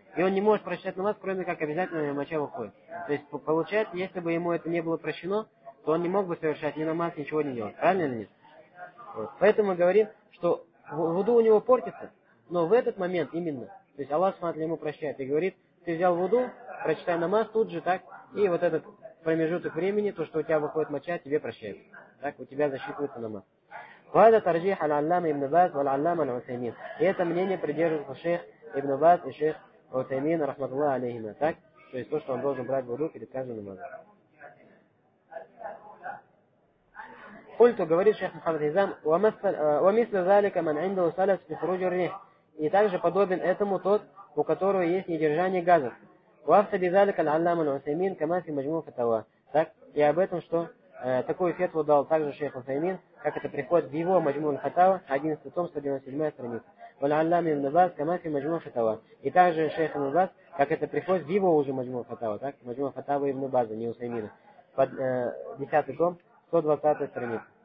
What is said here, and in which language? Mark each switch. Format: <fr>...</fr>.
<ru>И он не может прощать намаз, кроме как обязательно у него моча выходит. То есть получается, если бы ему это не было прощено, то он не мог бы совершать ни намаз, ничего не делать. Правильно или нет? Вот. Поэтому мы говорим, что вуду у него портится, но в этот момент именно, то есть Аллах Субхану ему прощает и говорит, ты взял вуду, прочитай намаз тут же, так, и вот этот промежуток времени, то, что у тебя выходит моча, тебе прощает. Так, у тебя засчитывается намаз.</ru> <ar>وهذا ترجيح العلامة ابن باز والعلامة العثيمين.</ar> <ru>Это мнение придерживается шейх Ибн Баз и шейх Утаймин, рахматуллах алейхима. Так? То есть то, что он должен брать вуду перед каждым намазом. Культу говорит шейх Мухаммад Хизам,</ru> <ar>ومثل ذلك من عنده سلس في خروج الريح.</ar> <ru>И также подобен этому тот, у которого есть недержание газов.</ru> <ar>وافتى بذلك العلامة العثيمين كما في مجموع فتواه.</ar> <ru>Так, и об этом, что такой фетву дал также шейх Усаймин, как это приходит в его Маджму аль-Фатава, 11 том, 197 страница.</ru> <ar>Валь-Аллам ибн Баз, камафи Маджму аль-Фатава.</ar> <ru>И также шейх ибн Баз, как это приходит в его уже Маджму аль-Фатава, так? Маджму аль-Фатава ибн База, не Усаймина. Под 10 том, 120 страница.</ru>